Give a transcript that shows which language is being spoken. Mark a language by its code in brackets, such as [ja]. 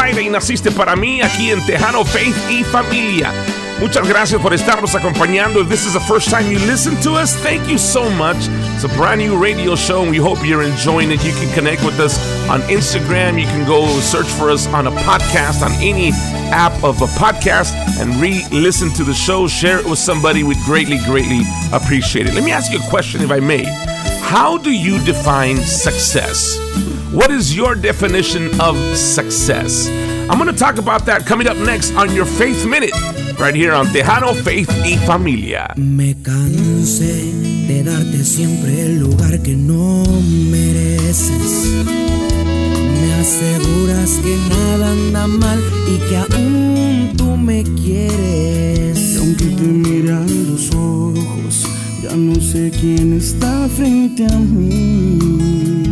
[es] Naciste para mí aquí en Tejano Faith y Familia. Muchas gracias por estarnos acompañando. [en] If this is the first time you listen to us, thank you so much. It's a brand new radio show and we hope you're enjoying it. You can connect with us on Instagram. You can go search for us on a podcast, on any app of a podcast, and re-listen to the show. Share it with somebody. We'd greatly, greatly appreciate it. Let me ask you a question, if I may. How do you define success? What is your definition of success? I'm going to talk about that coming up next on your Faith Minute, right here on Tejano Faith y Familia. [es] Me cansé de darte siempre el lugar que no mereces. Me aseguras que nada anda mal y que aún tú me quieres. Y aunque te mire a los ojos, ya no sé quién está frente a mí.